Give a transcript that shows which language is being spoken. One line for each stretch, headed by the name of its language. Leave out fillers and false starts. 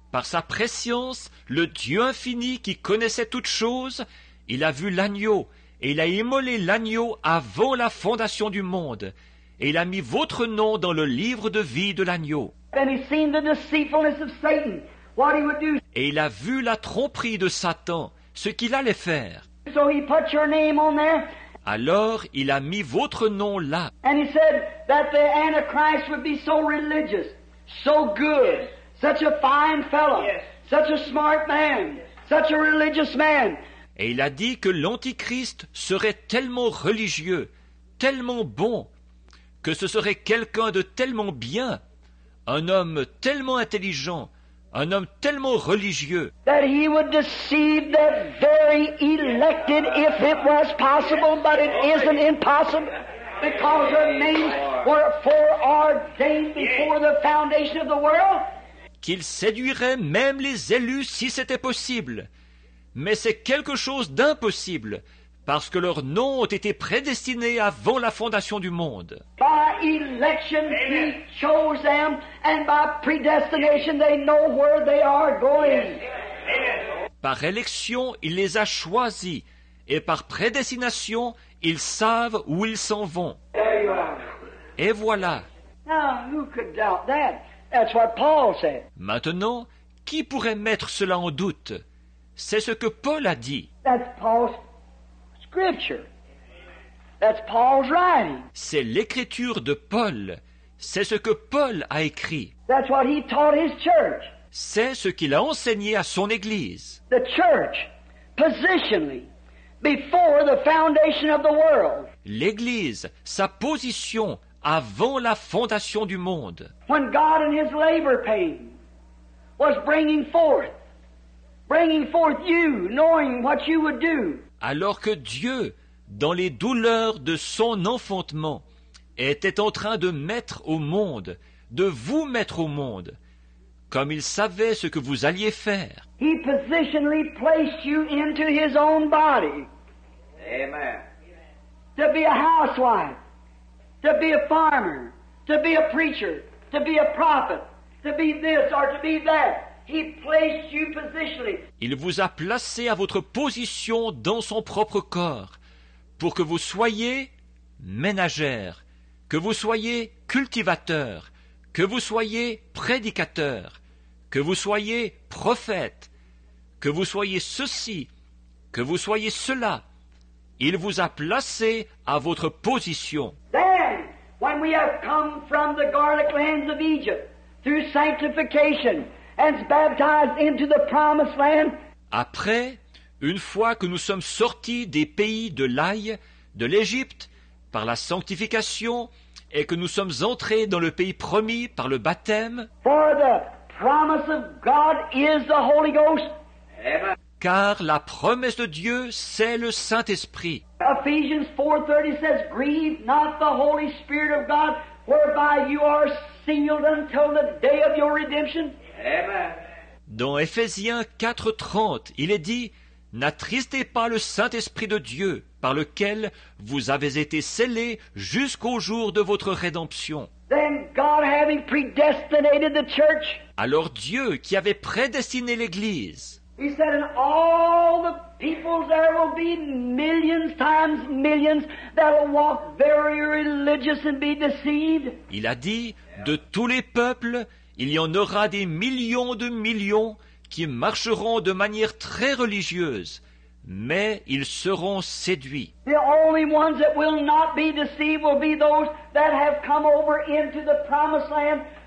French: Par sa prescience, le Dieu infini qui connaissait toutes choses, il a vu l'agneau, et il a immolé l'agneau avant la fondation du monde, et il a mis votre nom dans le livre de vie de l'agneau.
English: And he seen the deceitfulness of Satan, what he would do.
French: Et il a vu la tromperie de Satan, ce qu'il allait faire.
English: So he put your name on there.
French: Alors, il a mis votre nom là.
English: And he said that the Antichrist would be so religious, so good, yes. Such a fine fellow, yes. Such a smart man, yes. Such a religious man.
French: Et il a dit que l'Antichrist serait tellement religieux, tellement bon, que ce serait quelqu'un de tellement bien, un homme tellement intelligent, un homme tellement religieux,
English: that he would deceive the very elected if it was possible, but it isn't impossible, because their names were foreordained before the foundation of the world.
French: Qu'il séduirait même les élus si c'était possible. Mais c'est quelque chose d'impossible, parce que leurs noms ont été prédestinés avant la fondation du monde.
English: By election, Amen. He chose them, and by predestination, they know where they are going. Yes. Amen.
French: Par élection, il les a choisis, et par prédestination, ils savent où ils s'en vont.
English: There you are.
French: Et voilà.
English: Now, who could doubt that? That's what Paul said.
French: Maintenant, qui pourrait mettre cela en doute? C'est ce que Paul a dit.
English: That's Paul's scripture. That's Paul's writing.
French: C'est l'écriture de Paul. C'est ce que Paul a écrit.
English: That's what he taught his church.
French: C'est ce qu'il a enseigné à son église.
English: The church, positionally, before the foundation of the world.
French: L'église, sa position avant la fondation du monde.
English: When God in his labor pain was bringing forth you, knowing what you would do.
French: Alors que Dieu, dans les douleurs de son enfantement, était en train de mettre au monde, de vous mettre au monde, comme il savait ce que vous alliez faire.
English: He positionally placed you into his own body. Amen. To be a housewife, to be a farmer, to be a preacher, to be a prophet, to be this or to be that. He placed you positionally.
French: Il vous a placé à votre position dans son propre corps pour que vous soyez ménagère, que vous soyez cultivateur, que vous soyez prédicateur, que vous soyez prophète, que vous soyez ceci, que vous soyez cela. Il vous a placé à votre position.
English: Then, when we have come from the garlic lands of Egypt through sanctification, and baptized into the promised land.
French: Après, une fois que nous sommes sortis des pays de l'ail, de l'Égypte, par la sanctification, et que nous sommes entrés dans le pays promis par le baptême,
English: for the promise of God is the Holy Ghost. Amen.
French: Car la promesse de Dieu, c'est le Saint-Esprit.
English: Ephesians 4:30 says, grieve not the Holy Spirit of God, whereby you are sealed until the day of your redemption.
French: Dans Éphésiens 4:30, il est dit, « N'attristez pas le Saint-Esprit de Dieu, par lequel vous avez été scellés jusqu'au jour de votre rédemption. »
English: God having predestinated the church.
French: Alors Dieu qui avait prédestiné l'église.
English: He said in all the peoples there will be millions times millions that will walk very religious and be deceived.
French: Il a dit de tous les peuples, il y en aura des millions de millions qui marcheront de manière très religieuse, mais ils seront séduits.
English: The only ones that will not be deceived will be those that have come over into the promised land.